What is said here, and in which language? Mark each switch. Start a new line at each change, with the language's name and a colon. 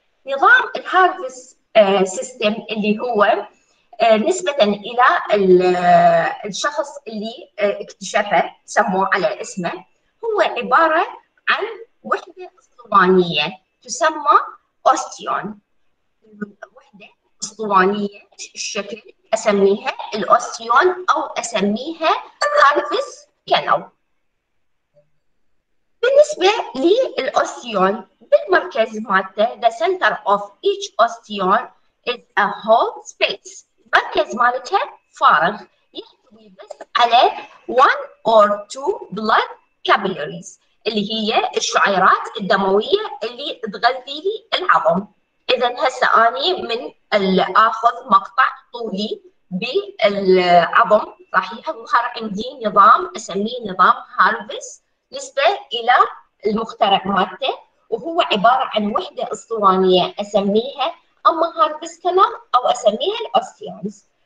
Arabic: نظام الهارفس سيستم اللي هو نسبه الى الشخص اللي اكتشفه سموه على اسمه، هو عباره عن وحدة أسطوانية تسمى أوستيون. وحدة أسطوانية الشكل أسميها الأوستيون أو أسميها هارفس كانو. بالنسبة للأوستيون بالمركز مالته
English: the center of each osteon is a whole space.
Arabic: المركز مالته فارغ يحتوي بس على
English: one or two blood capillaries
Arabic: اللي هي الشعيرات الدمويه اللي تغذي لي العظم. اذا هسه اني من اخذ مقطع طولي بالعظم راح يظهر عندي نظام اسميه نظام هارفس نسبه الى المخترع مالته، وهو عباره عن وحده اسطوانيه اسميها اما هارفس كانال او اسميها الاوستيونز.